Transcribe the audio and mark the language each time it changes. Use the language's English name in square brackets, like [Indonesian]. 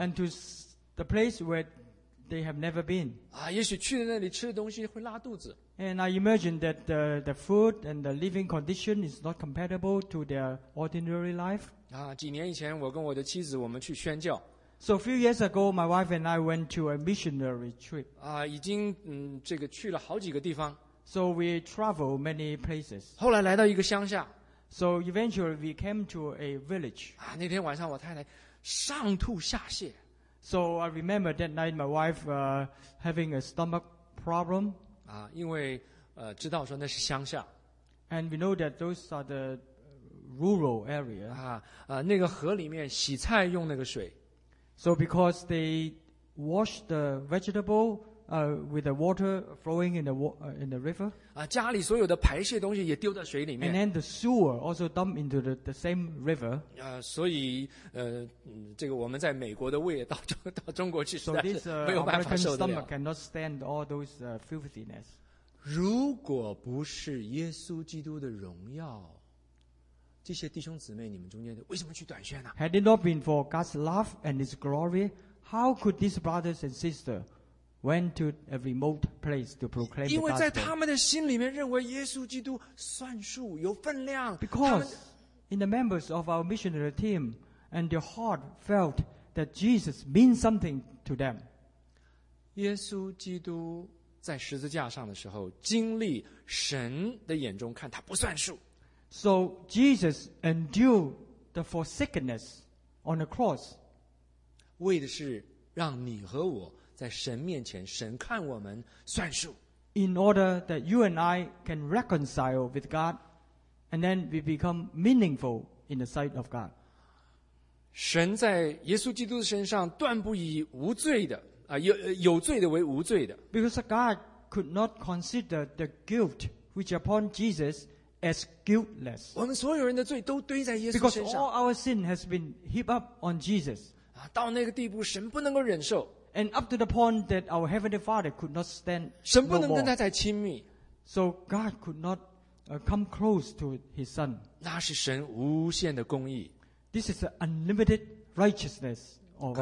[English] And to the place where they have never been. [Chinese] 也许去那里吃的东西会拉肚子。 [English] And I imagine that the food and the living condition is not compatible to their ordinary life. [Chinese] 几年以前我跟我的妻子我们去宣教。 [English] So a few years ago, my wife and I went to a missionary trip. [Chinese] 已经这个去了好几个地方。 [English] So we travel many places. [Chinese] 后来来到一个乡下。 [English] So eventually we came to a village. [Chinese] 那天晚上我太太上吐下泻。 [English] So I remember that night my wife having a stomach problem. [Chinese] 因为知道说那是乡下。 [English] And we know that those are the rural area. [Chinese] 那个河里面洗菜用那个水。 [English] So because they wash the vegetable with the water flowing in the in the river. [Chinese] 啊，家里所有的排泄东西也丢在水里面。 [English] And then the sewer also dumped into the same river. [Chinese] 啊，所以这个我们在美国的胃到中国去实在是没有办法受得了。 [English] So this American stomach cannot stand all those filthiness. [Chinese] 如果不是耶稣基督的荣耀，这些弟兄姊妹你们中间的为什么去短宣呢？ [English] Had it not been for God's love and His glory, how could these brothers and sisters went to a remote place to proclaim the gospel? [Chinese] 因为在他们的心里面认为耶稣基督算数有分量。 [English] Because in the members of our missionary team and their heart felt that Jesus means something to them. [Chinese] 耶稣基督在十字架上的时候经历神的眼中看他不算数。 [English] So Jesus endured the forsakenness on the cross. [Chinese] 为的是让你和我在神面前，神看我们算数。 [English] In order that you and I can reconcile with God, and then we become meaningful in the sight of God. [Chinese] 神在耶稣基督身上断不以无罪的啊，有罪的为无罪的。 [English] Because God could not consider the guilt which upon Jesus. As guiltless. [Chinese] 我们所有人的罪都堆在耶稣身上。 [English] Because all our sin has been heaped up on Jesus. [Chinese] 啊，到那个地步，神不能够忍受。 [English] And up to the point that our heavenly Father could not stand. [Chinese] 神不能跟他再亲密。 [English] So God could not come close to His Son. [Chinese] 那是神无限的公义。 [English] This is an unlimited righteousness of our heavenly Father.